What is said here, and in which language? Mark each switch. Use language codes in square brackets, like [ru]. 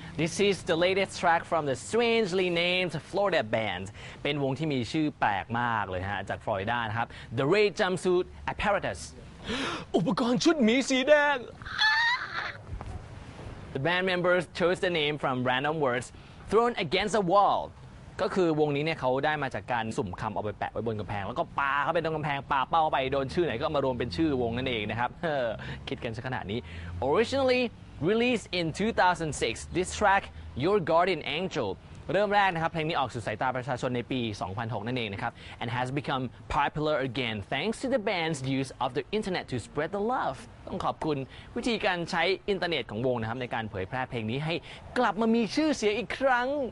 [en] This is the latest track from the strangely named Florida band. [th] เป็นวงที่มีชื่อแปลกมากเลยฮะจากฟลอริดานะครับ The Red Jumpsuit Apparatus. อุปกรณ์ชุดหมีสีแดง [en] The band members chose the name from random words thrown against a wall. [th] ก็คือวงนี้เนี่ยเขาได้มาจากการสุ่มคําเอาไปแปะไว้บนกําแพงแล้วก็ปาเข้าไปตรงกําแพงปาเป้าไปโดนชื่อไหนก็มารวมเป็นชื่อวงนั่นเองนะครับคิดกันซะขนาดนี้ [en] Originally released in 2006 this track Your Guardian Angel [th] เริ่มแรกนะครับเพลงนี้ออกสู่สายตาประชาชนในปี2006นั่นเองนะครับ [en] and has become popular again thanks to the band's use of the internet to spread the love [th] ต้องขอบคุณวิธีการใช้อินเทอร์เน็ตของวงนะครับในการเผยแพร่เพลงนี้ให้กลับมามีชื่อเสียงอีกครั้ง